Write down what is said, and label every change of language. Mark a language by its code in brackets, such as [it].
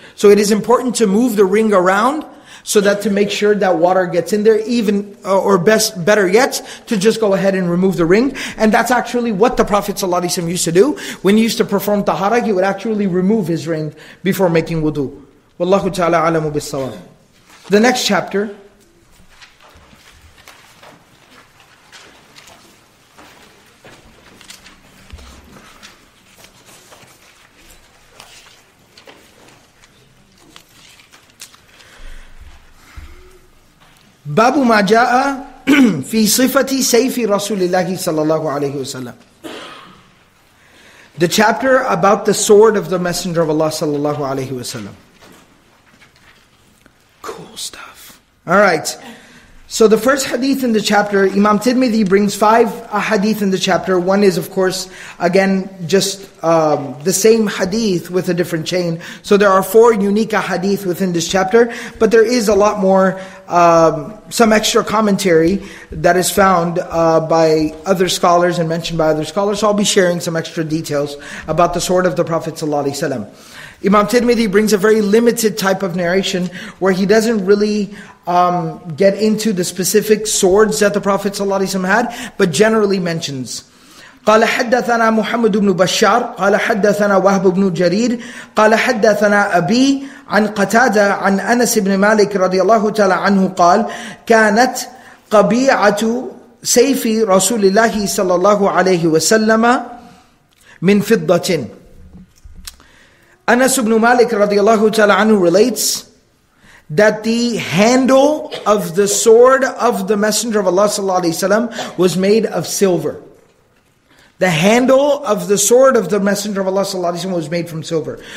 [en] So it is important to move the ring around so that to make sure that water gets in there, even or best, better yet, to just go ahead and remove the ring. And that's actually what the Prophet ﷺ used to do. When he used to perform tahara, he would actually remove his ring before making wudu. [ar] Wallahu ta'ala alamu bis-sawab. [en] The next chapter, [ar] بَابُ مَا جَاءَ فِي صِفَةِ سَيْفِ رَسُولِ اللَّهِ صَلَى اللَّهُ عَلَيْهِ وَسَلَّمَ. [en] The chapter about the sword of the Messenger of Allah صلى الله عليه وسلم. Cool stuff. All right. So the first hadith in the chapter, Imam Tirmidhi brings five hadith in the chapter. One is, of course, again, just the same hadith with a different chain. So there are four unique hadith within this chapter, but there is a lot more, some extra commentary that is found by other scholars and mentioned by other scholars. So I'll be sharing some extra details about the sword of the Prophet ﷺ. Imam Tirmidhi brings a very limited type of narration where he doesn't really get into the specific swords that the Prophet ﷺ had, but generally mentions. [ar] قال حدثنا محمد بن بشار قال حدثنا وهب بن جرير قال حدثنا أبي عن قتادة عن أنس بن مالك رضي الله تعالى عنه قال كانت قبيعة سيف رسول الله صلى الله عليه وسلم من فضة. [en] أنس بن مالك [ar] رضي الله تعالى عنه [en] relates that the handle of the sword of the Messenger of Allah ﷺ was made of silver. The handle of the sword of the Messenger of Allah sallallahu alaihi wasallam was made from silver.